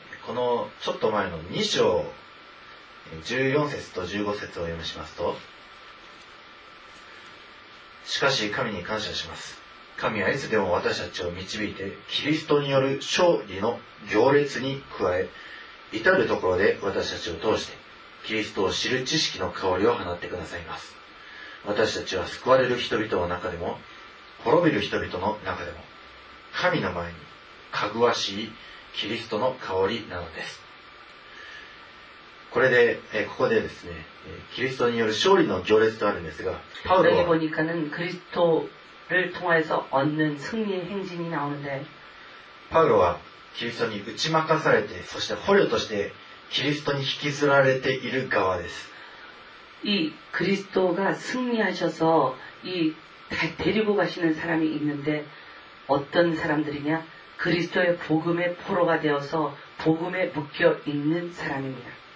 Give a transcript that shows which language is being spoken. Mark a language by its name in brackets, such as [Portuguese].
[Japanese] このちょっと前の2章14節と15節を読みしますとしかし神に感謝します神はいつでも私たちを導いてキリストによる勝利の行列に加え至るところで私たちを通してキリストを知る知識の香りを放ってくださいます私たちは救われる人々の中でも滅びる人々の中でも神の前にかぐわしいキリストの香りなのですこれでここでですねキリストによる勝利の行列とあるんですがパウロは [Korean] 보니까는그리스도를통해서얻는승리의행진이나오는데 [Japanese] パウロはキリストに打ち負かされてそして捕虜としてキリストに引きずられている側ですいいキリストが [Korean] 승리하셔서이데리고가시는사람이있는데어떤사람들이냐그리스도의복음의포로가되어서복음에묶여있는사람입니다